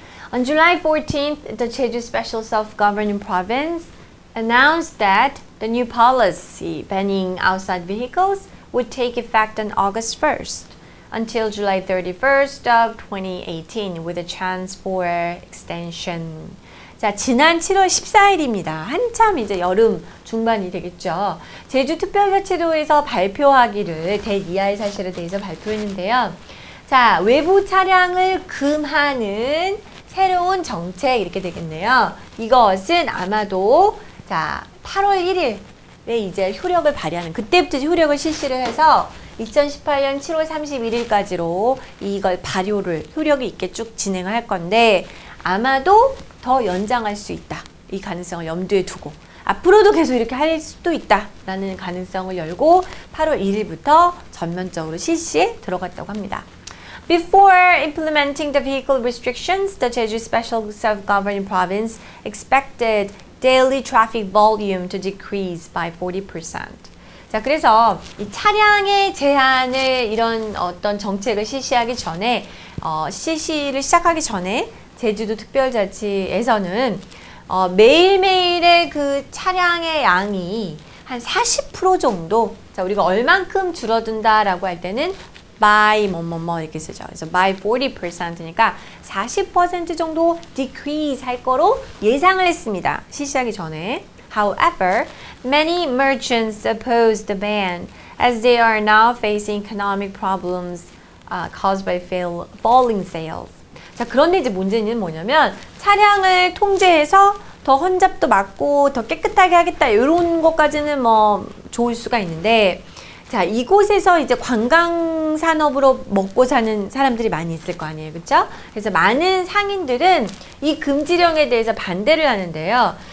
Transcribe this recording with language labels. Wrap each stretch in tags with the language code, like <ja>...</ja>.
<en>On July 14th, the Jeju Special Self-Governing Province announced that the new policy banning outside vehicles would take effect on August 1st until July 31st of 2018 with a chance for extension.</en> <ko>자, 지난 7월 14일입니다. 한참 이제 여름 중반이 되겠죠. 제주특별자치도에서 발표하기를 댓 이하의 사실에 대해서 발표했는데요. 자, 외부 차량을 금하는 새로운 정책 이렇게 되겠네요. 이것은 아마도 자, 8월 1일 네, 이제 효력을 발휘하는, 그때부터 효력을 실시를 해서 2018년 7월 31일까지로 이걸 발효를, 효력이 있게 쭉 진행을 할 건데 아마도 더 연장할 수 있다. 이 가능성을 염두에 두고 앞으로도 계속 이렇게 할 수도 있다라는 가능성을 열고 8월 1일부터 전면적으로 실시에 들어갔다고 합니다.</ko> <en>Before implementing the vehicle restrictions, the Jeju Special Self-Governing Province expected daily traffic volume to decrease by 40%.</en> <ko>자, 그래서 이 차량의 제한을 이런 어떤 정책을 실시하기 전에 실시를 시작하기 전에 제주도 특별자치에서는 매일매일의 그 차량의 양이 한 40% 정도, 자, 우리가 얼만큼 줄어든다라고 할 때는 by 뭐뭐뭐 이렇게 쓰죠. 그래서 by 40%니까 40% 정도 decrease 할 거로 예상을 했습니다. 실시하기 전에.</ko> <en>However, many merchants oppose the ban as they are now facing economic problems caused by falling sales.</en> <ko>자, 그런데 이제 문제는 뭐냐면 차량을 통제해서 더 혼잡도 막고 더 깨끗하게 하겠다 이런 것까지는 뭐 좋을 수가 있는데 자, 이곳에서 이제 관광 산업으로 먹고 사는 사람들이 많이 있을 거 아니에요. 그렇죠? 그래서 많은 상인들은 이 금지령에 대해서 반대를 하는데요.</ko>